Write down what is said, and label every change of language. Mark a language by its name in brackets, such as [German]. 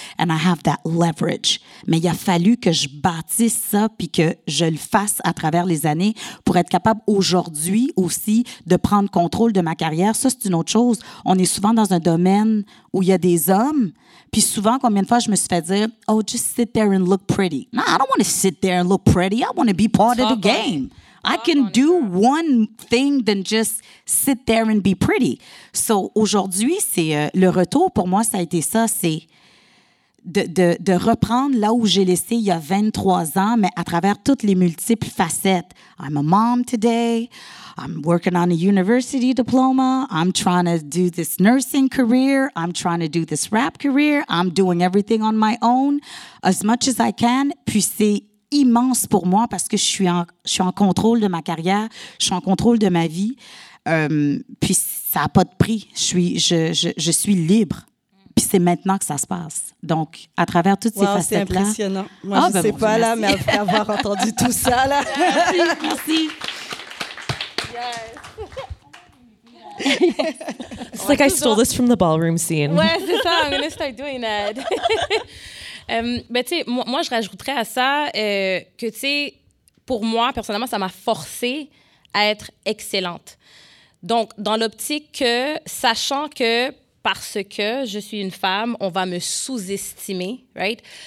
[English] And I have that leverage. [French] Mais il a fallu que je bâtisse ça puis que je le fasse à travers les années pour être capable aujourd'hui aussi de prendre contrôle de ma carrière. Ça, c'est une autre chose. On est souvent dans un domaine où il y a des hommes. Puis souvent, combien de fois je me suis fait dire, [English] oh, just sit there and look pretty. No, I don't want to sit there and look pretty. I want to be part of the game. I can do one thing than just sit there and be pretty. [French] So aujourd'hui, c'est le retour pour moi, ça a été ça, c'est de reprendre là où j'ai laissé il y a 23 ans, mais à travers toutes les multiples facettes. [English] I'm a mom today. I'm working on a university diploma. I'm trying to do this nursing career. I'm trying to do this rap career. I'm doing everything on my own as much as I can. [French] Puis c'est immense pour moi parce que je suis en contrôle de ma carrière, je suis en contrôle de ma vie, puis ça n'a pas de prix. Je suis libre. Puis c'est maintenant que ça se passe. Donc, à travers toutes ces facettes-là... c'est impressionnant. Moi, je ne sais pas, là, mais après avoir entendu tout ça, là... Merci. [English] It's like I stole this from the ballroom scene. [French] Ouais, c'est ça. [English] I'm going to start doing that. [French] Mais tu sais, moi, je rajouterais à ça que, tu sais, pour moi, personnellement, ça m'a forcé à être excellente. Donc, dans l'optique que, sachant que parce que je suis une femme, on va me sous-estimer, right?